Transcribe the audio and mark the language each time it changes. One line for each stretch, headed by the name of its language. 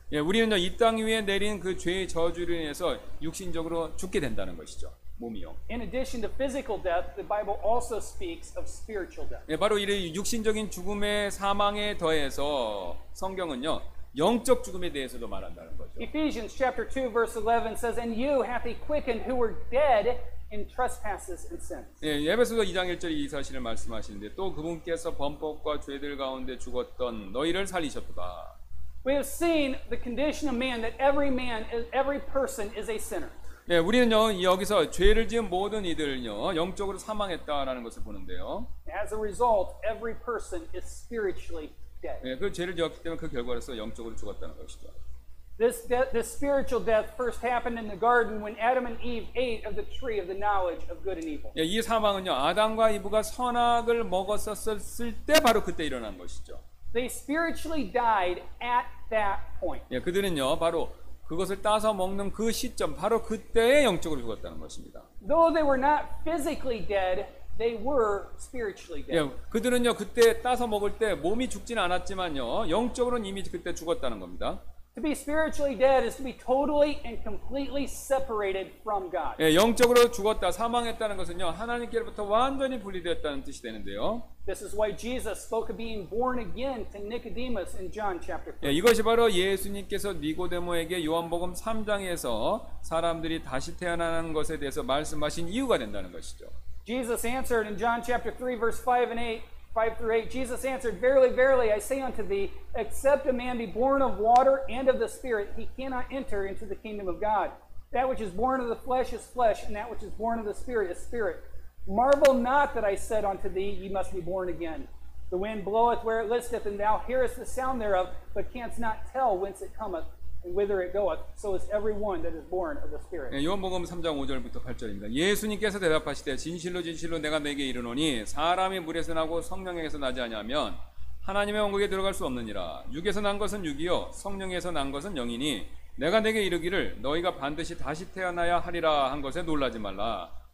Korean: 예, 우리는요 이 땅 위에 내린 그 죄의 저주로 인해서 육신적으로 죽게 된다는 것이죠. 몸이요.
English: In addition to physical death, the Bible also speaks of spiritual death.
Korean: 예, 바로 이런 육신적인 죽음의 사망에 더해서 성경은요 영적 죽음에 대해서도 말한다는 거죠.
English: Ephesians chapter 2 verse 11 says, "And you hath he quickened who were dead in trespasses and sins."
Korean: 예, 에베소서 2장 1절이 이 사실을 말씀하시는데 또 그분께서 범법과 죄들 가운데 죽었던 너희를 살리셨도다.
English: We have seen the condition of man that every man, every person is a sinner.
Korean: 예, 우리는요 여기서 죄를 지은 모든 이들은요 영적으로 사망했다라는 것을 보는데요.
English: As a result, every person is spiritually dead.
Korean: 예, 그 죄를 지었기 때문에 그 결과로서 영적으로 죽었다는 것이죠.
English: This spiritual death first happened in the garden when Adam and Eve ate of the tree of the knowledge of good and evil.
Korean: 예, 이 사망은요 아담과 이브가 선악을 먹었었을 때 바로 그때 일어난 것이죠.
English: They spiritually died at that point.
Korean: 예, 그들은요 바로 그것을 따서 먹는 그 시점 바로 그때에 영적으로 죽었다는 것입니다.
English: Though they were not physically dead, they were spiritually dead.
Korean: 예, 그들은요 그때 따서 먹을 때 몸이 죽지는 않았지만요 영적으로는 이미 그때 죽었다는 겁니다.
English: To be spiritually dead is to be totally and completely separated from God.
Korean: 예, 영적으로 죽었다 사망했다는 것은요 하나님께로부터 완전히 분리되었다는 뜻이 되는데요.
English: This is why Jesus spoke of being born again to Nicodemus in John chapter
Korean: 3. 예, 이것이 바로 예수님께서 니고데모에게 요한복음 3장에서 사람들이 다시 태어나는 것에 대해서 말씀하신 이유가 된다는 것이죠.
English: Jesus answered in John chapter 3 verse 5 through 8. Jesus answered, "Verily, verily, I say unto thee, except a man be born of water and of the Spirit, he cannot enter into the kingdom of God. That which is born of the flesh is flesh, and that which is born of the Spirit is spirit. Marvel not that I said unto thee, ye must be born again. The wind bloweth where it listeth, and thou hearest the sound thereof, but canst not tell whence it cometh, and whither it goeth. So is every one that is born of the Spirit."
Korean: 예, 요한복음 3장 5절부터 8절입니다. 예수님께서 대답하시되 진실로 진실로 내가 내게 이르노니 사람이 물에서 나고 성령에서 나지 아니하면 하나님의 왕국에 들어갈 수 없느니라. 육에서 난 것은 육이요 성령에서 난 것은 영이니 내가 내게 이르기를 너희가 반드시 다시 태어나야 하리라 한 것에 놀라지 말라.